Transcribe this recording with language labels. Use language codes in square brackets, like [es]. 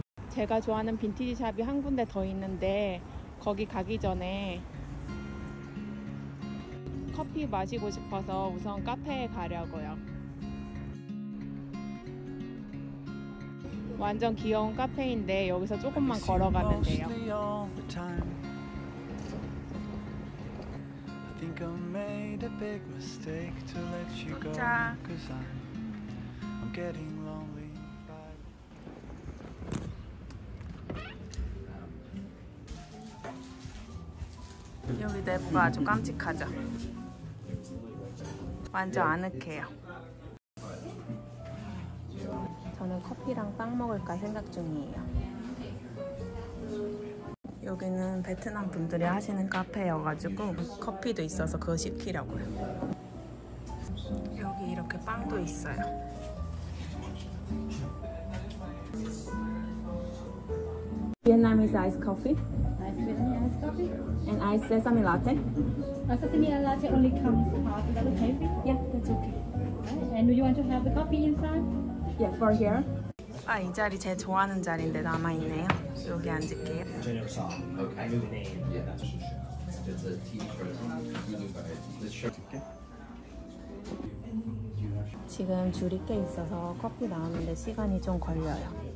[ko] 제가 좋아하는 빈티지 샵이 한 군데 더 있는데 거기 가기 전에 커피 마시고 싶어서 우선 카페에 가려고요. 완전 귀여운 카페인데 여기서 조금만 걸어가면 돼요. [en] think I made a big mistake to let you go. 'Cause I'm getting lonely. Bye. [ko] 여기 내부가 아주 깜찍하죠. 완전 아늑해요. 저는 커피랑 빵 먹을까 생각 중이에요. 여기는 베트남 분들이 하시는 카페여가지고 커피도 있어서 그거 시키려고요. 여기 이렇게 빵도 있어요. 비엔남에서 아이스 커피? 아이스 비엔남 아이스 커피? [en] And I say something latte? Sesame and latte only comes hot. Is that okay for you? Yeah, that's okay. And do you want to have the coffee inside? Yeah, for here. [ko] 아, 이 자리 제 좋아하는 자리인데 남아 있네요. 여기 앉을게요. 지금 줄이 꽤 있어서 커피 나오는데 시간이 좀 걸려요.